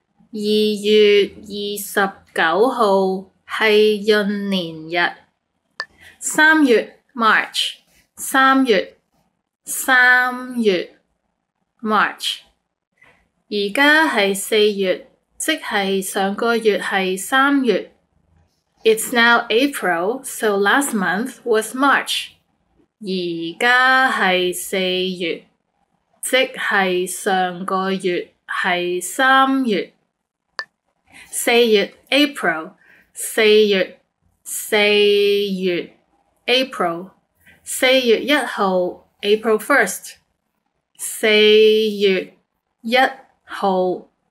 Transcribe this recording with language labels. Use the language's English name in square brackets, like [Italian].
[Cantonese] 二月二十九号系闰年日。三月 ， [English] March。 [Cantonese] 三月，三月 ， [English] March。 [Cantonese] 现在是四月，即是上个月是三月。 [English] It's now April, so last month was March. [Cantonese] 现在是四月，即是上个月是三月。四月 [English] April, [Cantonese] 四月，四月 [English] April, [Cantonese] 四月一号 [English] April 1st, [Cantonese] 四月一好五